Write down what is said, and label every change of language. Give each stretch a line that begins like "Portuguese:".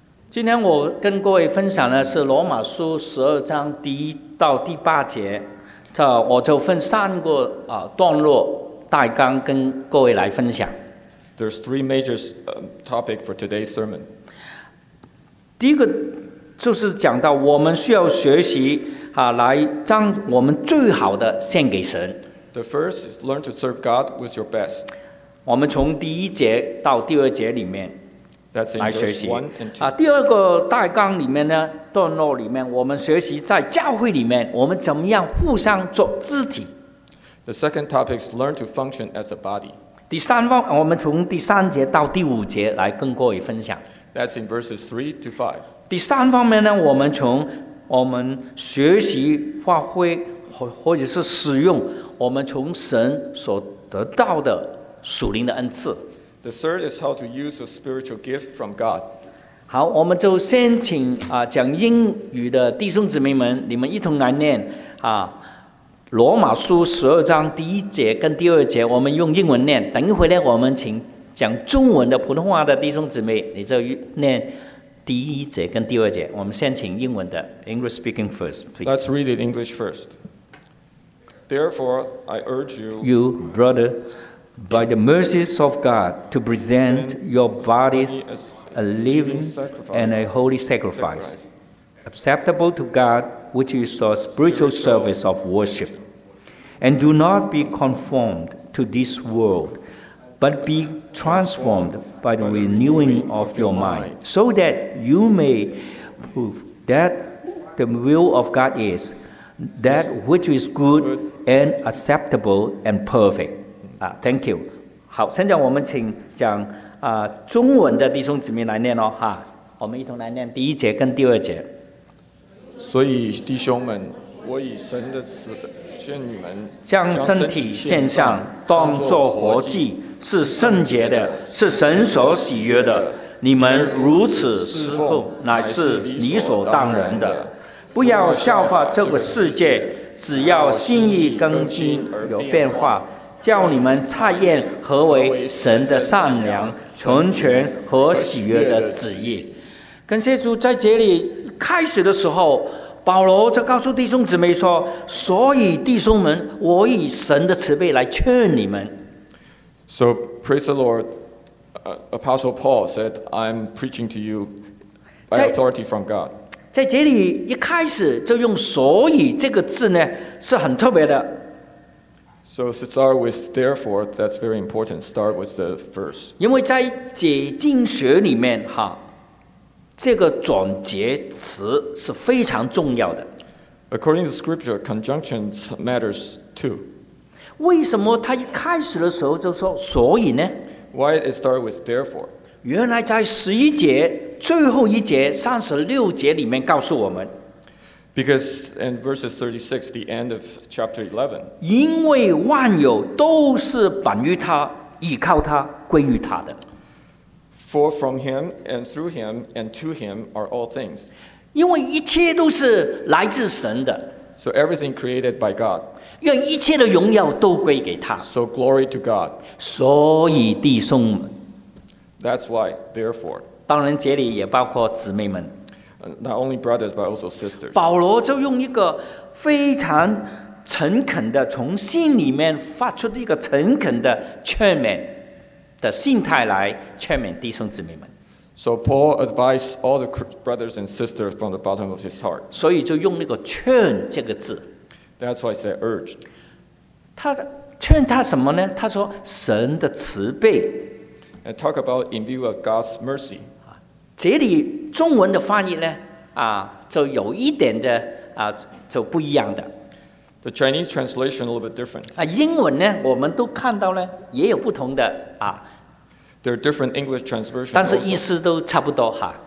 Chinese: 今天我跟各位分享的是罗马书十二章第一到第八节，我就分三个段落大纲跟各位来分享。
English: There's three major topic for today's sermon.
Chinese: 第一个就是讲到我们需要学习来将我们最好的献给神。
English: The first is learn to serve God with your best.
Chinese: 我们从第一节到第二节里面来学习。第二个大纲里面呢，段落里面，我们学习在教会里面，我们怎么样互相做肢体。
English: The second topic is learn to function as a body.
Chinese: 第三方，我们从第三节到第五节来跟各位分享。
English: That's in verses 3 to 5.
Chinese: 第三方面呢，我们从我们学习发挥或者是使用我们从神所得到的属灵的恩赐。
English: The third is how to use a spiritual gift from God.
Chinese: 好，我们就先请讲英语的弟兄姊妹们，你们一同来念罗马书十二章第一节跟第二节，我们用英文念。等一会呢，我们请讲中文的普通话的弟兄姊妹，你就念第一节跟第二节。我们先请英文的
English: English speaking first, please. Let's read it English first. Therefore, I urge you, brother, by the mercies of God to present your bodies a living and a holy sacrifice, acceptable to God, which is your spiritual service of worship. And do not be conformed to this world, but be transformed by the renewing of your mind, so that you may prove that the will of God is that which is good and acceptable and perfect. Thank you.
Chinese: 好，现在我们请讲中文的弟兄姊妹来念哦，哈，我们一同来念第一节跟第二节。所以弟兄们，我以神的慈悲劝你们，将身体献上，当作活祭，是圣洁的，是神所喜悦的。你们如此侍奉，乃是理所当然的。不要效法这个世界，只要心意更新而变化，叫你们察验何为神的善良、纯全和喜悦的旨意。感谢主，在这里开始的时候，保罗就告诉弟兄姊妹说：“所以弟兄们，我以神的慈悲来劝你们。”
English: So praise the Lord, Apostle Paul said, "I'm preaching to you by authority from God."
Chinese: 在这里一开始就用“所以”这个字呢，是很特别的。
English: So to start with, therefore, that's very important. Start with the first.
Chinese: 因为在解经学里面，哈，这个转折词是非常重要的。
English: According to scripture, conjunctions matters too.
Chinese: 为什么他一开始的时候就说“所以”呢
English: ？Why it start with therefore?
Chinese: 原来在十一节最后一节三十六节里面告诉我们。
English: Because in verses 36, the end of chapter 11.
Chinese: 因为万有都是本于他，依靠他，归于他的。
English: For from him and through him and to him are all things.
Chinese: 因为一切都是来自神的。
English: So everything created by God.
Chinese: 愿一切的荣耀都归给他。
English: So glory to God.
Chinese: 所以弟兄们。
English: That's why, therefore.
Chinese: 当然这里也包括姊妹们。
English: Not only brothers but also sisters.
Chinese: 保罗就用一个非常诚恳的，从心里面发出的一个诚恳的劝勉的心态来劝勉弟兄姊妹们。
English: So Paul advised all the brothers and sisters from the bottom of his heart.
Chinese: 所以就用那个劝这个字。
English: That's why I said urge.
Chinese: 他劝他什么呢？他说神的慈悲。
English: And talk about in view of God's mercy.
Chinese: 这里中文的翻译呢，就有一点的就不一样的。
English: The Chinese translation a little bit different.
Chinese: 英文呢，我们都看到呢，也有不同的
English: There are different English translations.
Chinese: 但是意思都差不多哈。